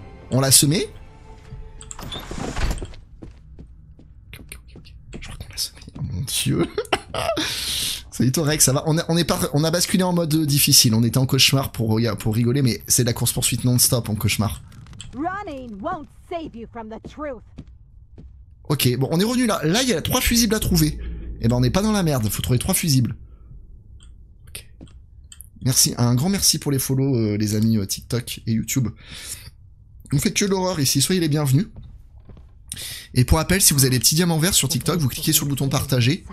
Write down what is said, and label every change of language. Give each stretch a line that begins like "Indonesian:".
French: On l'a semé. Je crois qu'on l'a semé. Oh mon dieu. Salut Torek, ça va? On a basculé en mode difficile. On était en cauchemar pour rigoler, mais c'est de la course-poursuite non-stop en cauchemar.
English: Running won't save you from the truth.
French: Ok, bon, on est revenu là. Là, il y a 3 fusibles à trouver. Eh ben, on n'est pas dans la merde. Faut trouver 3 fusibles. Ok. Merci. Un grand merci pour les follow, les amis TikTok et YouTube. Vous faites que l'horreur ici. Soyez les bienvenus. Et pour rappel, si vous avez des petits diamants verts sur TikTok, vous cliquez sur le bouton partager.